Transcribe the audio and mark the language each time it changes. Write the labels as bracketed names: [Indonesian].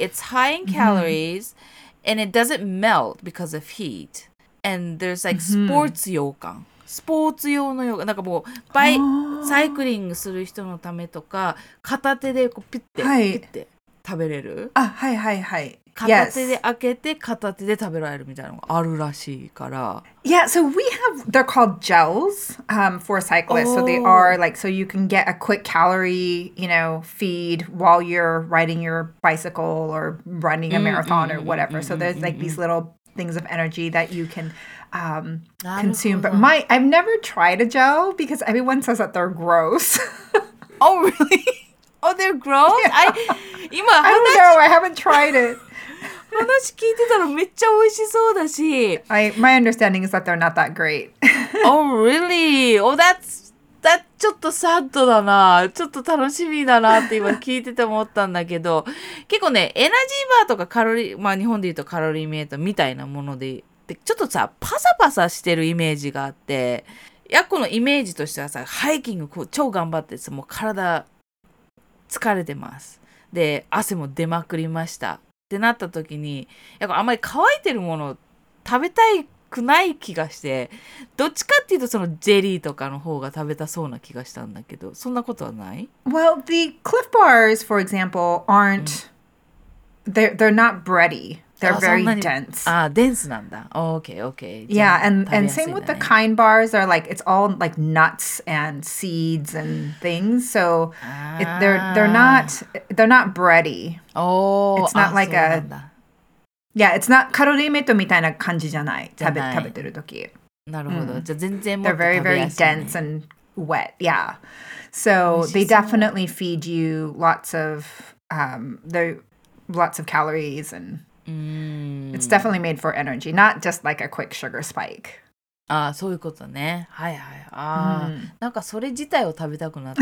[English] It's high in calories and it doesn't melt because of heat. And there's like sports 羊羹. [Japanese] スポーツ用のヨガ、なんかもうサイクリングする人のためとか、片手でこうピッて、はい、ピッて食べれる。あ、はいはいはい。片手で開けて片手で食べられるみたいなのがあるらしいから。 [English] Yeah, so we have, they're called gels, for cyclists. So they are like, so you can get a quick calorie, you know, feed while you're riding your bicycle or running a marathon or whatever. So there's like these little things of energy that you can, consume. But I've never tried a gel because everyone says that they're gross. Oh, really? Oh, they're gross? Yeah. I don't know. I haven't tried it. [Japanese] 話聞いてたらめっちゃ美味しそうだし。 [English] My understanding is that they're not that great. Oh, really? Oh, that's [Japanese] ちょっとサッドだな。ちょっと楽しみだなって今聞いてて思ったんだけど。結構ね、エナジーバーとかカロリー、まあ日本で言うとカロリーメイトみたいなもので、でちょっとさ、パサパサしてるイメージがあって、ヤッコのイメージとしてはさ、ハイキングこう超頑張ってさ、もう体疲れてます。で、汗も出まくりました。ってなった時にやっぱあんまり乾いてるもの食べたいくない気がして、どっちかっていうとそのジェリーとかの方が食べたそうな気がしたんだけど、そんなことはない？ [English] Well, the cliff bars, for example, aren't they're not bready. They're very dense. Ah, dense [Japanese] なんだ。 [English] Oh, okay, okay. Yeah, and same with the kind bars. They're like, it's all like nuts and seeds and things. So they're not bready. Oh, it's not like a. Yeah, it's not カロリーメイト [Japanese] みたいな感じじゃない。食べてる時。なるほど。じゃ全然 [English] もう。They're very, very dense and wet. Yeah. So they definitely feed you lots of calories and. It's definitely made for energy, not just like a quick sugar spike. [Japanese] Ah, そういうことね。はいはい。ああ、なんかそれ自体を食べたくなった。